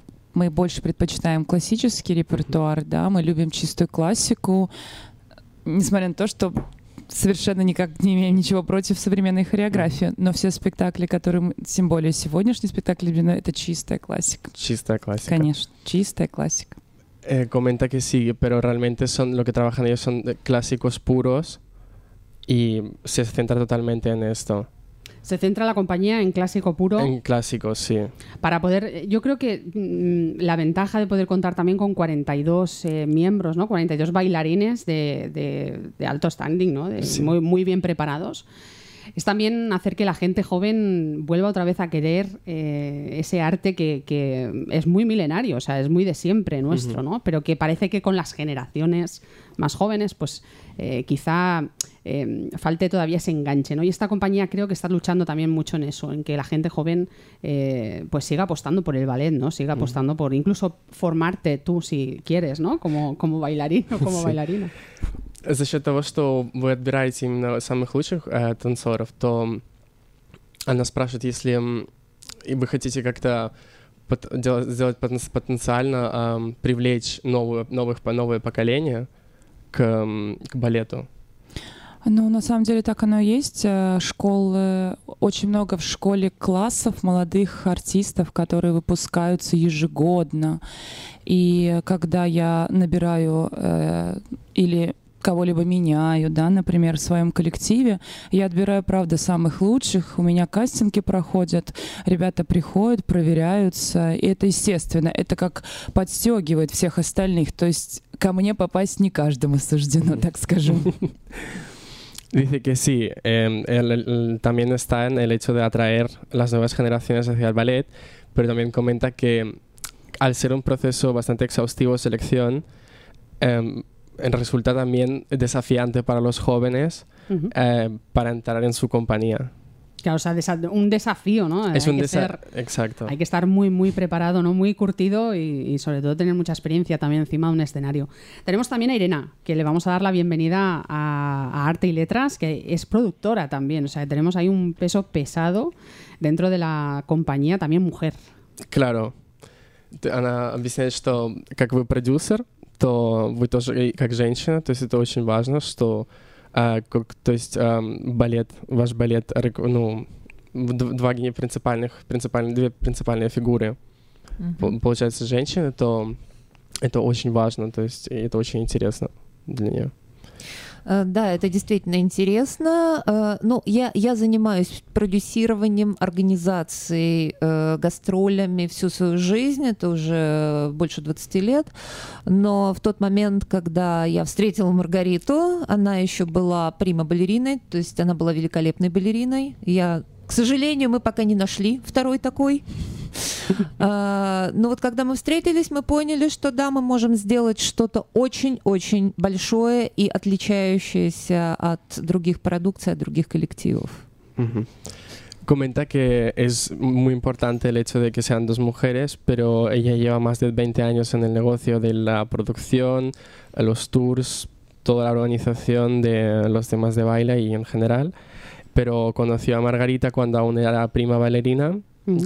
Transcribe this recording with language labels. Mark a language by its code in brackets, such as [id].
[ru] Деле мы больше предпочитаем классический репертуар, да, мы любим чистую классику, несмотря на то, что совершенно никак не имеем ничего против современной хореографии, но все спектакли, которые, тем более сегодняшний спектакль, это чистая классика. Чистая классика. Конечно, чистая классика. [es] Comenta que sí, pero realmente son lo que trabajan ellos son clásicos puros y se centra totalmente en esto. Se centra la compañía en clásico puro. En clásico, sí. Para poder, yo creo que la ventaja de poder contar también con 42 miembros, ¿no? 42 bailarines de alto standing, ¿no? Sí. Muy, muy bien preparados. Es también hacer que la gente joven vuelva otra vez a querer ese arte que es muy milenario, o sea, es muy de siempre nuestro, ¿no? Pero que parece que con las generaciones más jóvenes, pues quizá falte todavía ese enganche, ¿no? Y esta compañía creo que está luchando también mucho en eso, en que la gente joven pues siga apostando por el ballet, ¿no? Siga apostando por incluso formarte tú, si quieres, ¿no? Como bailarín o como bailarina. [ru] За счет того, что вы отбираете именно самых лучших танцоров, то она спрашивает, если вы хотите как-то сделать потенциально привлечь новое поколение к балету. Ну, на самом деле так оно и есть. Школы, очень много в школе классов молодых артистов, которые выпускаются ежегодно. И когда я набираю или кого-либо меняю, да, например, в своем коллективе. Я отбираю, правда, самых лучших. У меня кастинги проходят, ребята приходят, проверяются. И это, естественно, это как подстегивает всех остальных. То есть ко мне попасть не каждому суждено, так скажу. [es] Dice que sí. También está en el hecho de atraer las nuevas generaciones hacia el ballet, pero también comenta que al ser un proceso bastante exhaustivo de selección, resulta también desafiante para los jóvenes para entrar en su compañía. Claro, o sea, un desafío, ¿no? Es un desafío, exacto. Hay que estar muy, muy preparado, ¿no? Muy curtido y sobre todo tener mucha experiencia también encima de un escenario. Tenemos también a Irena, que le vamos a dar la bienvenida a Arte y Letras, que es productora también. O sea, tenemos ahí un peso pesado dentro de la compañía, también mujer. Claro. [ru] Она объясняет, что как вы продюсер, то вы тоже как женщина, то есть это очень важно, что две принципальные фигуры получается женщины, то это очень важно, то есть это очень интересно для нее. Да, это действительно интересно. Ну, я занимаюсь продюсированием, организацией, гастролями всю свою жизнь, это уже больше 20 лет. Но в тот момент, когда я встретила Маргариту, она еще была прима-балериной, то есть она была великолепной балериной. Я К сожалению, мы пока не нашли второй такой. Но вот когда мы встретились, мы поняли, что да, мы можем сделать что-то очень-очень большое и отличающееся от других продукций, от других коллективов. [es] Comenta que es muy importante el hecho de que sean dos mujeres, pero ella lleva más de 20 años en el negocio de la producción, los tours, toda la organización de los temas de baile y en general. Pero conoció a Margarita cuando aún era la prima bailarina, uh-huh.